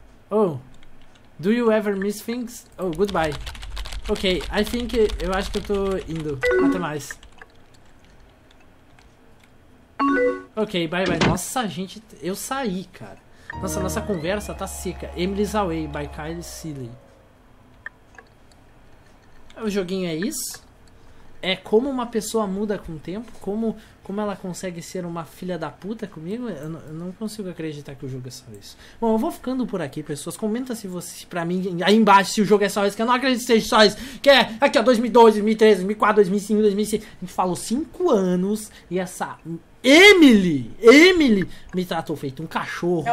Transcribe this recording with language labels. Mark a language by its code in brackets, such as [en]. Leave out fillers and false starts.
[en] Oh, do you ever miss things? Oh, goodbye. Ok, I think, [pt] eu acho que eu tô indo. Até mais. Ok, [en] bye bye. [pt] Nossa, gente, eu saí, cara. Nossa, nossa conversa tá seca. [en] Emily's Away by Kyle Sealy. [pt] O joguinho é isso? É como uma pessoa muda com o tempo? Como ela consegue ser uma filha da puta comigo? Eu não consigo acreditar que o jogo é só isso. Bom, eu vou ficando por aqui, pessoas. Comenta se você, pra mim, aí embaixo, se o jogo é só isso. Que eu não acredito que seja só isso. Que é, aqui ó, 2012, 2013, 2004, 2005, 2006. A gente falou 5 anos e essa Emily me tratou feito um cachorro.